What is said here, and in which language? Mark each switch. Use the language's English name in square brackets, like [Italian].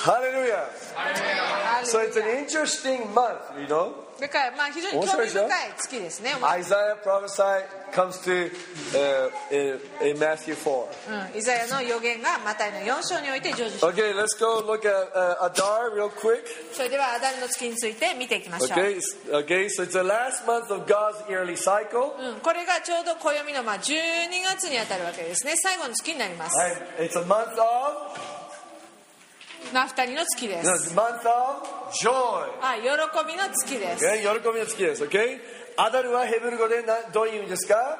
[English] ハレルヤ。So it's an interesting month, you know? [Japanese] だからまあ非常に興味深い月ですね。 [English] イザヤ prophesy comes to in Matthew 4. [Japanese] イザヤの予言がマタイの4章において成就します [English] 。 Okay, let's go look at Adar real quick. [Japanese] それではアダルの月について見ていきましょう。 [English] Okay, so it's the last month of God's yearly cycle. [Japanese] これがちょうど暦のまあ12月にあたるわけですね。最後の月になります。 [English] And it's a month of... [Japanese] ナフタリの月です。 [English] The month of joy. [Japanese] あ、喜びの月です。 [English] Okay? [Japanese] 喜びの月です。Okay? アダルはヘブル語でどういう意味ですか？